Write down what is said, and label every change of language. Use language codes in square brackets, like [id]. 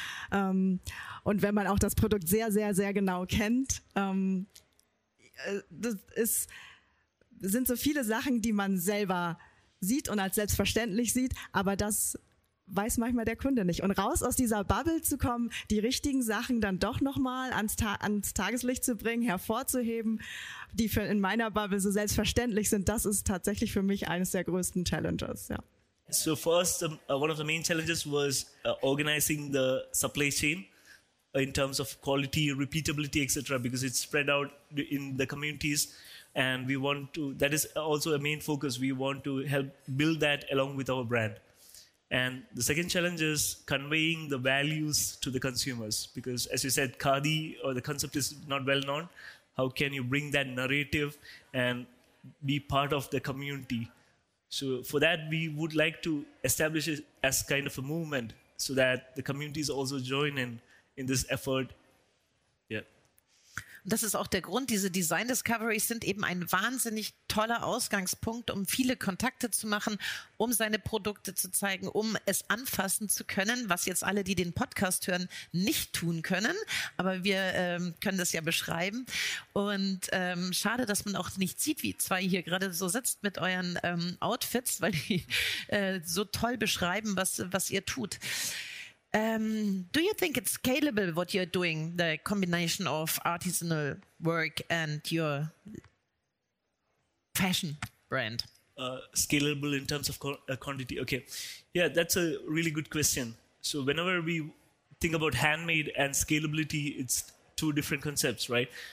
[de] Und wenn man auch das Produkt sehr, sehr, sehr genau kennt, sind so viele Sachen, die man selber sieht und als selbstverständlich sieht, aber das weiß manchmal der Kunde nicht. Und raus aus dieser Bubble zu kommen, die richtigen Sachen dann doch nochmal ans Tageslicht zu bringen, hervorzuheben, die für in meiner Bubble so selbstverständlich sind, das ist tatsächlich für mich eines der größten Challenges. Ja. [en] So first, one of the main challenges was organizing the supply chain in terms of quality, repeatability, etc. Because it's spread out in the communities. And we want to, that is also a main focus. We want to help build that along with our brand. And the second challenge is conveying the values to the consumers. Because as you said, Khadi or the concept is not well known. How can you bring that narrative and be part of the community? So for that, we would like to establish it as kind of a movement so that the communities also join in this effort. [de] Das ist auch der Grund, diese Design Discoveries sind eben ein wahnsinnig toller Ausgangspunkt, um viele Kontakte zu machen, um seine Produkte zu zeigen, um es anfassen zu können, was jetzt alle, die den Podcast hören, nicht tun können. Aber wir können das ja beschreiben. Und schade, dass man auch nicht sieht, wie zwei hier gerade so sitzt mit euren Outfits, weil die so toll beschreiben, was ihr tut. [en] Do you think it's scalable what you're doing, the combination of artisanal work and your fashion brand? Scalable in terms of quantity, okay. Yeah, that's a really good question. So whenever we think about handmade and scalability, it's two different concepts, right?